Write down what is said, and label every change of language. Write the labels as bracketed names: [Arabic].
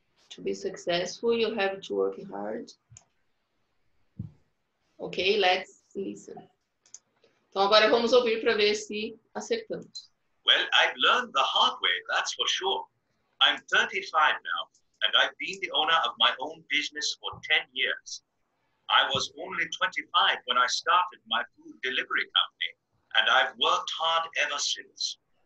[English] To be successful, you have to work hard. Okay, let's listen. [Portuguese] Então agora vamos ouvir para ver se acertamos. [English] Well, I've learned the hard way, that's for sure. I'm 35 now, and I've been the owner of my own business for 10 years. I was only 25 when I started my food delivery company, and I've worked hard ever since.